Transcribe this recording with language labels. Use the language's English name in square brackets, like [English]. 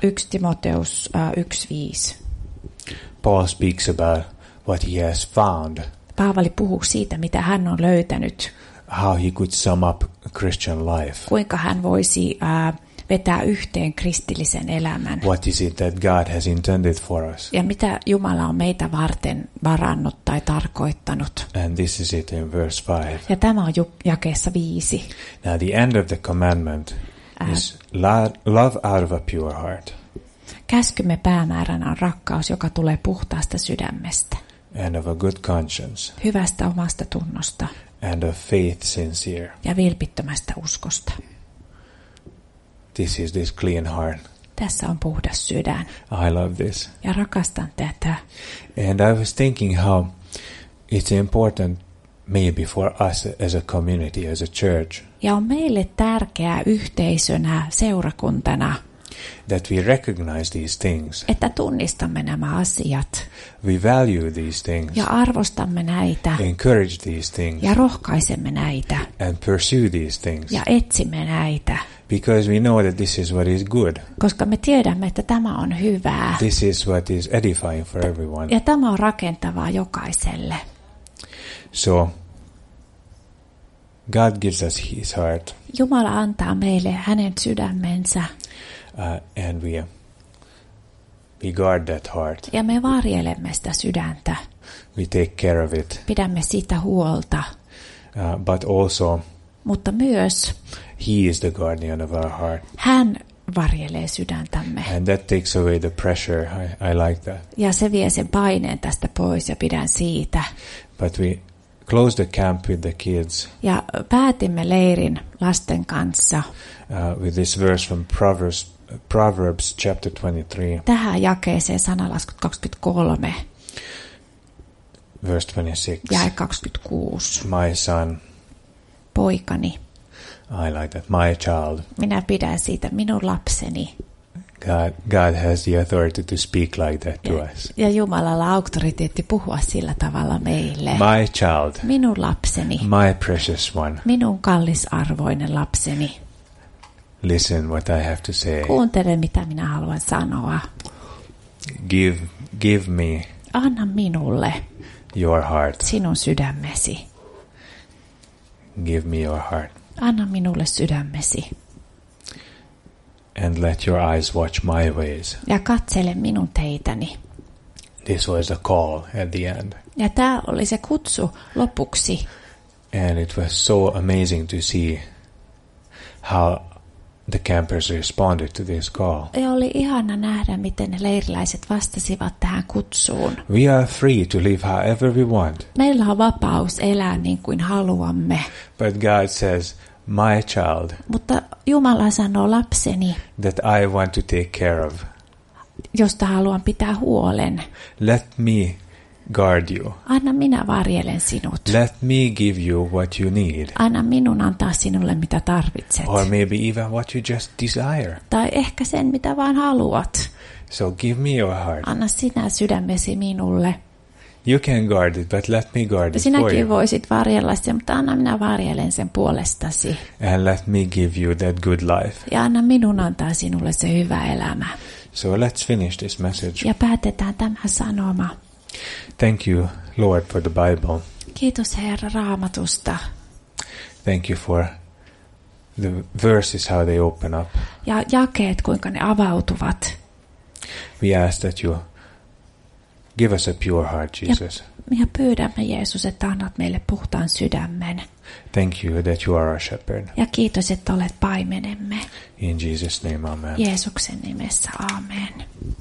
[Finnish] 1 Timoteus 1:5. [English] Paul speaks about what he has found. [Finnish] Paavali puhuu siitä, mitä hän on löytänyt. [English] How he could sum up Christian life. [Finnish] Kuinka hän voisi vetää yhteen kristillisen elämän. [English] What is it that God has intended for us? [Finnish] Ja mitä Jumala on meitä varten varannut tai tarkoittanut. [English] And this is it in verse 5. [Finnish] Ja tämä on jakeessa 5. [English] Now the end of the commandment is love out of a pure heart. [Finnish] Käskymme päämääränä on rakkaus, joka tulee puhtaasta sydämestä. [English] And of a good conscience. [Finnish] Hyvästä omasta tunnosta. [English] And of faith sincere. [Finnish] Ja vilpittömästä uskosta. [English] This is this clean heart. [Finnish] Tässä on puhdas sydän. [English] I love this. [Finnish] Ja rakastan tätä. [English] And I was thinking how it's important maybe for us as a community, as a church. [Finnish] Ja on meille tärkeää yhteisönä, seurakuntana. [English] That we recognize these things. [Finnish] Että tunnistamme nämä asiat. [English] We value these things. [Finnish] Ja arvostamme näitä. [English] Encourage these things. [Finnish] Ja rohkaisemme näitä. [English] And pursue these things. [Finnish] Ja etsimme näitä. [English] Because we know that this is what is good. [Finnish] Koska me tiedämme, että tämä on hyvää. [English] This is what is edifying for everyone. [Finnish] Ja tämä on rakentavaa jokaiselle. [English] So God gives us his heart. [Finnish] Jumala antaa meille hänen sydämensä. [English] And we guard that heart. [Finnish] Ja me varjelemme sitä sydäntä. [English] We take care of it. [Finnish] Pidämme sitä huolta. [English] But also, [Finnish] mutta myös, [English] he is the guardian of our heart. [Finnish] Hän varjelee sydäntämme. [English] And that takes away the pressure. I like that. [Finnish] Ja se vie sen paineen tästä pois ja pidän siitä. [English] But we close the camp with the kids. [Finnish] Ja päätimme leirin lasten kanssa. [English] With this verse from Proverbs chapter 23. [Finnish] Tähän jakeeseen sanalaskut 23. [English] Verse 26. [Finnish] Jae 26. [English] My son. [Finnish] Poikani. [English] I like that. My child. [Finnish] Minä pidän siitä, minun lapseni. [English] God has the authority to speak like that to us. [Finnish] Ja Jumalalla auktoriteetti puhua sillä tavalla meille. [English] My child. [Finnish] Minun lapseni. [English] My precious one. [Finnish] Minun kallisarvoinen lapseni. [English] Listen what I have to say. [Finnish] Kuuntele mitä minä haluan sanoa. [English] Give me. [Finnish] Anna minulle. [English] Your heart. [Finnish] Sinun sydämesi. [English] Give me your heart. [Finnish] Anna minulle sydämesi. [English] And let your eyes watch my ways. [Finnish] Ja katsele minun teitäni. [English] This was a call at the end. [Finnish] Ja tämä oli se kutsu lopuksi. [English] And it was so amazing to see how the campers responded to this call. [Finnish] Ja oli ihana nähdä, miten ne leiriläiset vastasivat tähän kutsuun. [English] We are free to live however we want. [Finnish] Meillä on vapaus elää niin kuin haluamme. [English] But God says, my child. [Finnish] Mutta Jumala sanoo lapseni. [English] That I want to take care of. [Finnish] Josta haluan pitää huolen. [English] Let me guard you. [Finnish] Anna minä varjelen sinut. [English] Let me give you what you need. [Finnish] Anna minun antaa sinulle mitä tarvitset. [English] Or maybe even what you just desire. [Finnish] Tai ehkä sen mitä vaan haluat. [English] So give me your heart. [Finnish] Anna sinä sydämesi minulle. [English] You can guard it, but let me guard it [Finnish] sinäkin [English] for you. [Finnish] Sinäkin voisit varjella sen, mutta anna minä varjelen sen puolestasi. [English] And let me give you that good life. [Finnish] Ja anna minun antaa sinulle se hyvä elämä. [English] So let's finish this message. [Finnish] Ja päätetään tämä sanoma. [English] Thank you, Lord, for the Bible. [Finnish] Kiitos Herra Raamatusta. [English] Thank you for the verses, how they open up. [Finnish] Ja jakeet, kuinka ne avautuvat. [English] We ask that you give us a pure heart, Jesus. [Finnish] Ja pyydämme Jeesus, että annat meille puhtaan sydämen. [English] Thank you that you are our shepherd. [Finnish] Ja kiitos, että olet paimenemme. [English] In Jesus' name, amen. [Finnish] Jeesuksen nimessä, amen.